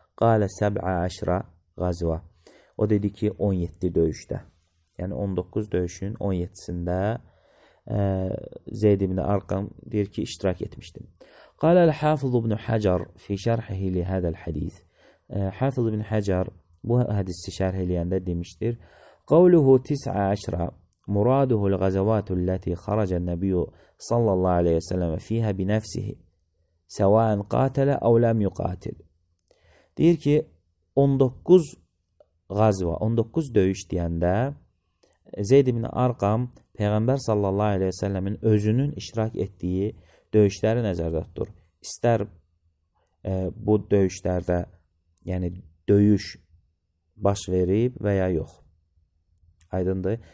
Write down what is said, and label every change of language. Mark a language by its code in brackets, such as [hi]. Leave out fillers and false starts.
[ar] Qalə 17 qazva. [az] O dedi ki, 17 döyüşdə. Yəni 19 döyüşün 17-sində Zeyd ibn Arqam deyir ki, iştirak etmişdim. [ar] Qalə Hafiz ibn Həcər fi şərhihi li hədəl hədis. [az] Hafiz ibn Həcər bu hədisi şərh eləyəndə demişdir. [ar] Qavluhu 19 مراده الغزوات التي خرج النبي صلى الله عليه وسلم فيها بنفسه سواء قاتل او لم يقاتل. [az] Deyir ki 19 qazva, 19 döyüş deyəndə Zeyd ibn Arqam Peyğəmbər sallallahu aleyhi ve sellemin özünün iştirak etdiyi döyüşləri nəzərdə tutur. İstər bu döyüşlərdə, yəni döyüş baş verib və ya yox. Aydındır.